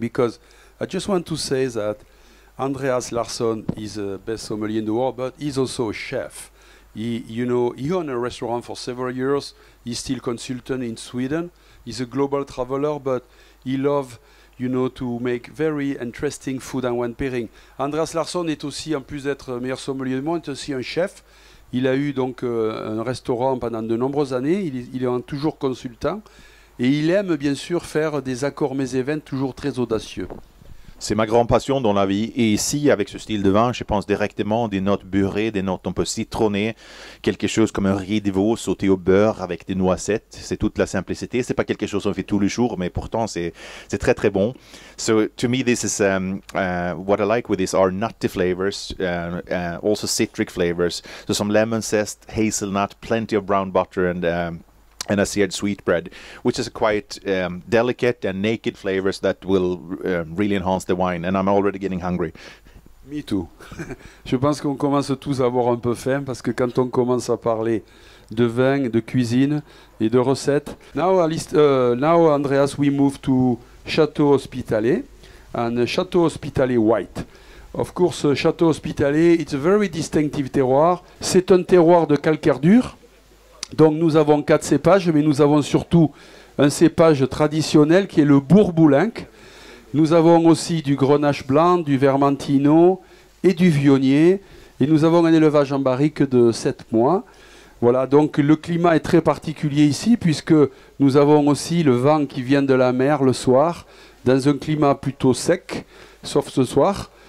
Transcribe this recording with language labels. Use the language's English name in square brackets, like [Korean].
[English] Because I just want to say that Andreas Larsson is the best sommelier in the world, but he's also a chef. He owned a restaurant for several years. He's still consultant in Sweden. He's a global traveler, but he loves you know, to make very interesting food and wine pairing. [French] Andreas Larsson est aussi, en plus d'être meilleur sommelier du monde, est aussi un chef. Il a eu donc un restaurant pendant de nombreuses années. Il est toujours consultant. Et il aime bien sûr faire des accords mets et vins toujours très audacieux. C'est ma grande passion dans la vie. Et ici, avec ce style de vin, je pense directement des notes beurrées, des notes un peu citronnées, quelque chose comme un riz de veau sauté au beurre avec des noisettes. C'est toute la simplicité. Ce n'est pas quelque chose qu'on fait tous les jours, mais pourtant, c'est très, très bon. [English] So, to me, this is what I like with this are nutty flavors, also citric flavors. So, some lemon zest, hazelnut, plenty of brown butter and a seared sweetbread, which is a quite delicate and naked flavors that will really enhance the wine. And I'm already getting hungry. Me too. [French] Je pense qu'on commence tous à avoir un peu faim parce que quand on commence à parler de vin, de cuisine et de recettes. [English] Now, Andreas, we move to Château Hospitalier and Château Hospitalier White. Of course, Château Hospitalier, it's a very distinctive terroir. [French] C'est un terroir de calcaire dur. Donc nous avons quatre cépages, mais nous avons surtout un cépage traditionnel qui est le Bourboulenque. Nous avons aussi du Grenache blanc, du Vermentino et du Viognier. Et nous avons un élevage en barrique de 7 mois. Voilà, donc le climat est très particulier ici puisque nous avons aussi le vent qui vient de la mer le soir dans un climat plutôt sec, sauf ce soir.